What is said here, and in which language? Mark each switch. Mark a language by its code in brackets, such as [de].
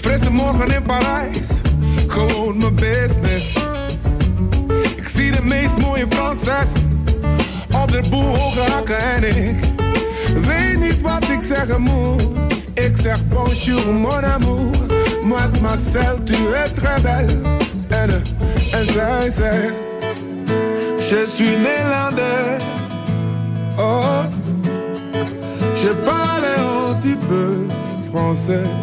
[nl] Morgen in Parijs, gewoon mijn business. Ik zie de meest mooie Franses op de boel hoge hakken en ik weet niet wat ik zeggen moet. Ik zeg [fr] bonjour mon amour, mademoiselle, tu es très belle. [nl] En zij zegt, [fr] je suis Nederlandais. Oh, je parle un petit peu français.